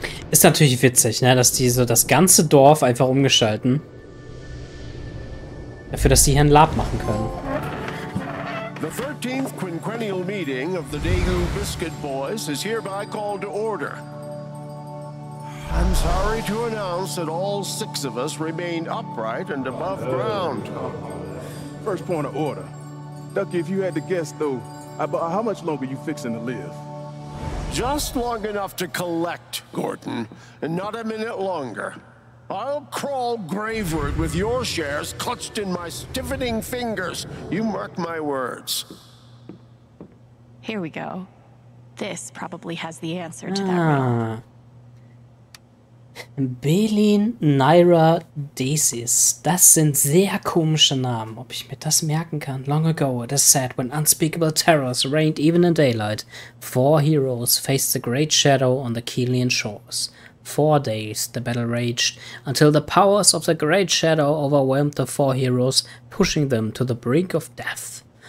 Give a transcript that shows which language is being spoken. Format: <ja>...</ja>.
<de>Ist natürlich witzig, ne, dass die so das ganze Dorf einfach umgestalten. Dafür, dass die hier einen LARP machen können.</de> <en>The 13th quinquennial meeting of the Daegu Biscuit Boys is hereby called to order. I'm sorry to announce that all six of us remain upright and above ground. First point of order. Ducky, if you had to guess, though, how much longer are you fixing to live? Just long enough to collect, Gordon, and not a minute longer. I'll crawl graveward with your shares clutched in my stiffening fingers. You mark my words. Here we go. This probably has the answer to that riddle. Belin Naira Desis.</en> <de>Das sind sehr komische Namen, ob ich mir das merken kann.</de> <en>Long ago, it is said, when unspeakable terrors reigned even in daylight, four heroes faced the great shadow on the Kelian shores. 4 days the battle raged, until the powers of the great shadow overwhelmed the four heroes, pushing them to the brink of death.</en>